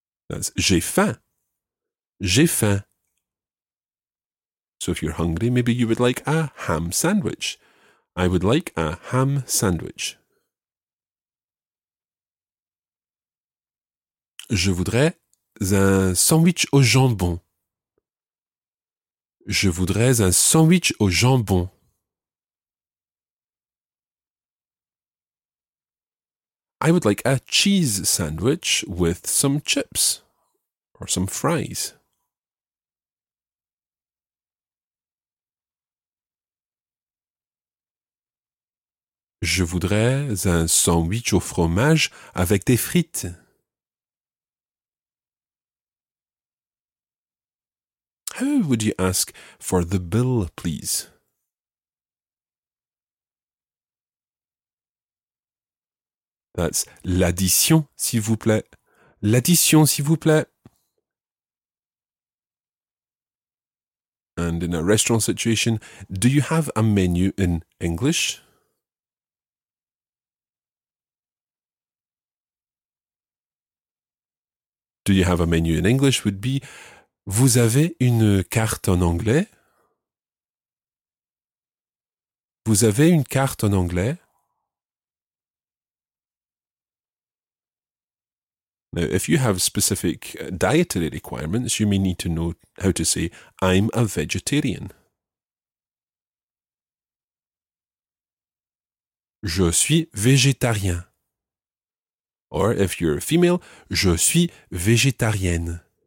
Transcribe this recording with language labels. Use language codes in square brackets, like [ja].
[fr] That's j'ai faim. J'ai faim. [en] So if you're hungry, maybe you would like a ham sandwich. I would like a ham sandwich. [fr] Je voudrais un sandwich au jambon. Je voudrais un sandwich au jambon. [en] I would like a cheese sandwich with some chips or some fries. [fr] Je voudrais un sandwich au fromage avec des frites. [en] How would you ask for the bill, please? [fr] That's l'addition, s'il vous plaît. L'addition, s'il vous plaît. [en] And in a restaurant situation, do you have a menu in English? Do you have a menu in English would be, [fr] vous avez une carte en anglais? Vous avez une carte en anglais? [en] Now, if you have specific dietary requirements, you may need to know how to say, I'm a vegetarian. [fr] Je suis végétarien. [en] Or, if you're a female, [fr] je suis végétarienne.